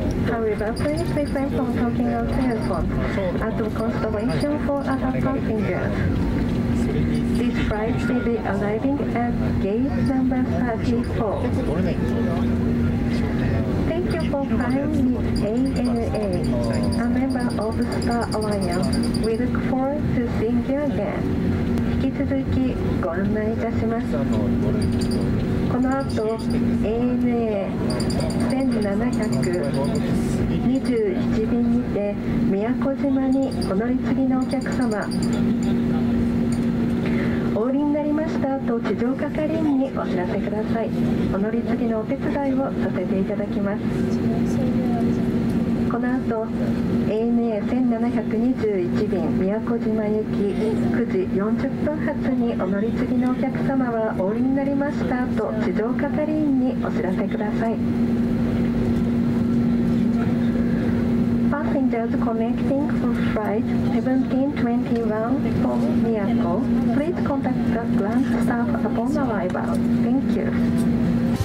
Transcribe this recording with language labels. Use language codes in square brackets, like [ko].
[en] However, please refrain from talking on telephone as a consideration for other passengers. This flight will be arriving at gate number 34. Thank you for flying with ANA, a member of Star Alliance. We look forward to seeing you again. [ja] 引き続きご案内いたします。この後、ANA1727便にて宮古島にお乗り継ぎのお客様、お降りになりましたと地上係員にお知らせください。お乗り継ぎのお手伝いをさせていただきます。この後 ANA1721便宮古島行き9時40分発にお乗り継ぎのお客様はお降りになりましたと地上係員にお知らせください。 [en] Passengers connecting for flight 1721 from Miyako, please contact the ground staff upon arrival. Thank you.